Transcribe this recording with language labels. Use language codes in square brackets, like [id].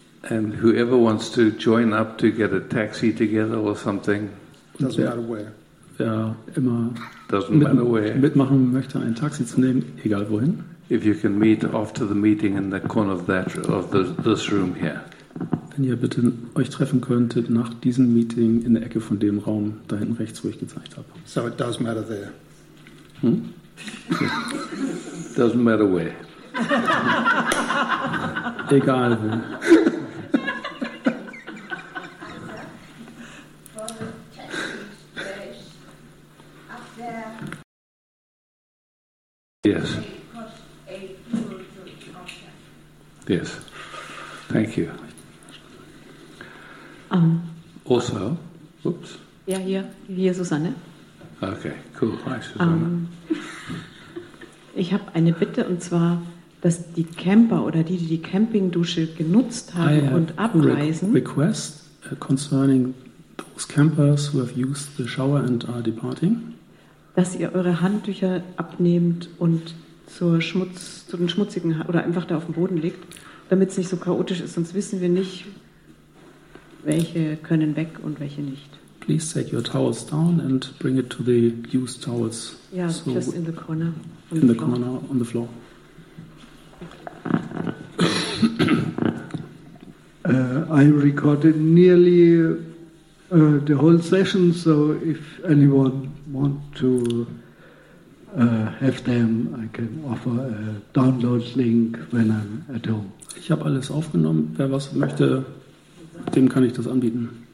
[en] and whoever wants to join up to get a taxi together or something, doesn't matter where. [de] Wer immer mitmachen möchte, ein Taxi zu nehmen, egal wohin. [en] If you can meet after the meeting in the corner of that of the, this room here. [de] Wenn ihr bitte euch treffen könntet nach diesem Meeting in der Ecke von dem Raum da hinten rechts, wo ich gezeigt habe. [en] So it does matter there. Doesn't matter where. [de] Egal wohin. [en] Yes. Yes. Thank you. Also, oops. [de] Yeah, hier Susanne. [en] Okay, cool. Hi, Susanne. [de] Ich habe eine Bitte, und zwar, dass die Camper oder die die Campingdusche genutzt haben und abreisen. [en] Request concerning those campers who have used the shower and are departing. [de] Dass ihr eure Handtücher abnehmt und zu den schmutzigen oder einfach da auf dem Boden legt, damit es nicht so chaotisch ist, sonst wissen wir nicht, welche können weg und welche nicht. [en] Please take your towels down and bring it to the used towels. Ja, so just in the corner. In the corner on the floor. I recorded nearly the whole session, so if anyone want to have them, I can offer a download link when I'm at home. [de] Ich habe alles aufgenommen. Wer was möchte, dem kann ich das anbieten.